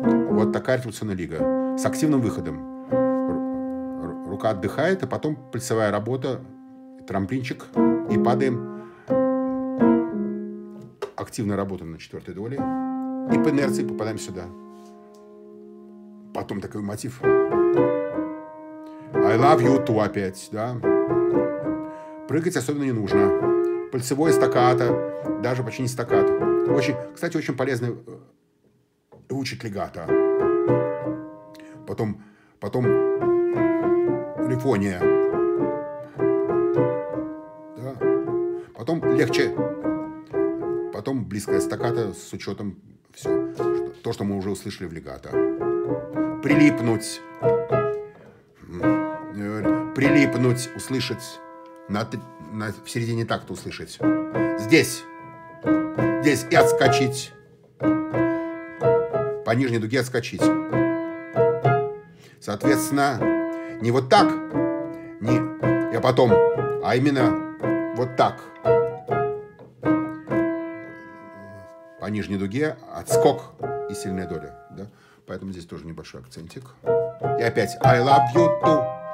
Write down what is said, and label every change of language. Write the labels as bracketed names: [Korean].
[Russian] Вот такая артикуляционная лига. С активным выходом. Рука отдыхает, а потом пальцевая работа. Трамплинчик. И падаем. Активно работаем на четвертой доле. И по инерции попадаем сюда. Потом такой мотив. [English] I love you too опять, да. [Russian] Прыгать особенно не нужно. Пальцевой стаккато, даже почти не стаккато. Очень полезно учить легато. Потом лифония. Да. Потом легче. Потом близкое стаккато с учетом все. То, что мы уже услышали в легато. Прилипнуть, услышать, в середине такта услышать. Здесь, и отскочить. По нижней дуге отскочить. Соответственно, не вот так, не я потом, а именно вот так. По нижней дуге отскок и сильная доля. Да? Поэтому здесь тоже небольшой акцентик. [English] И опять I love you too.